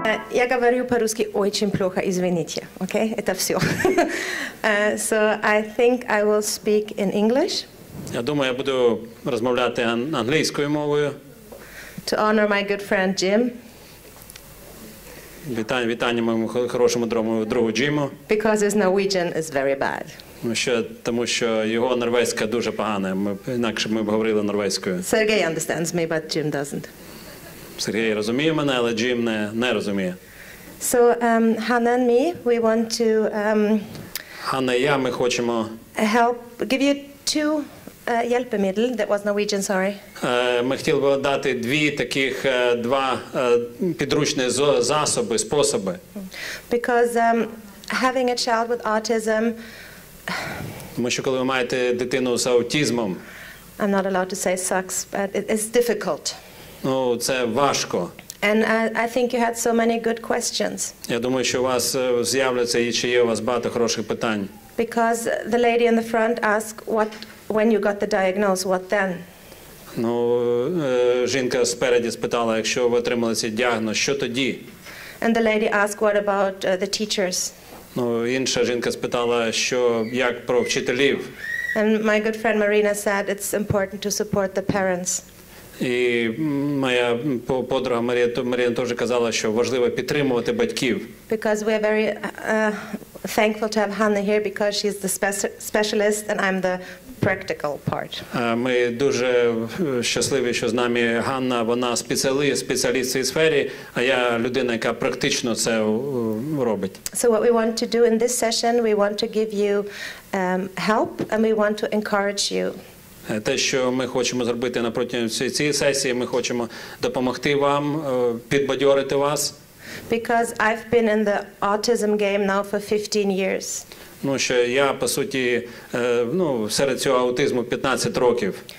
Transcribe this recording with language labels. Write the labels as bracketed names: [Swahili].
[Russian] я говорю по-русски очень плохо, извините, окей? Okay? Это все. [English] So I think I will speak in English. [Ukrainian] Я думаю, я буду розмовляти англійською мовою. [English] To honor my good friend Jim. [Ukrainian] Вітання моєму хорошому другу Джиму. [English] Because his Norwegian is very bad. [Ukrainian] Тому що його норвезька дуже погана, інакше ми б говорили норвезькою. [English] Sergey understands me, but Jim doesn't. [Ukrainian] Сергей розуміє мене, але Джим не розуміє. [English] So, Hannah and me, we want to [Ukrainian] Hannah, я ми хочемо [English] help give you two hjelpemiddel that was Norwegian, sorry. [Ukrainian] Ми хотіли б дати дві таких два підручні засоби, способи. [English] Because having a child with autism. [Ukrainian] Тому що коли ви маєте дитину з аутизмом, [English] I'm not allowed to say sucks, but it's difficult. [Ukrainian] Ну, це важко. [English] And I think you had so many good questions. [Ukrainian] Я думаю, що у вас з'являться і чи є у вас багато хороших питань. [English] Because the lady in the front asked what when you got the diagnosis, what then? [Ukrainian] Ну, жінка спереді спитала, якщо ви отримали цей діагноз, що тоді? [English] And the lady asked what about the teachers? [Ukrainian] Ну, інша жінка спитала, що як про вчителів? [English] And my good friend Marina said it's important to support the parents. [Ukrainian] І моя подруга Марія теж казала, що важливо підтримувати батьків. [English] Because we are very thankful to have Hannah here because she's the specialist and I'm the practical part. [Ukrainian] Ми дуже щасливі, що з нами Ганна, вона спеціаліст в цій сфері, а я людина, яка практично це робить. [English] So what we want to do in this session, we want to give you help and we want to encourage you. [Ukrainian] Те, що ми хочемо зробити на протягом цієї сесії, ми хочемо допомогти вам, підбадьорити вас. [English] Because I've been in the autism game now for 15 years. [Ukrainian] Ну, що я, по суті, ну, серед цього аутизму 15 років.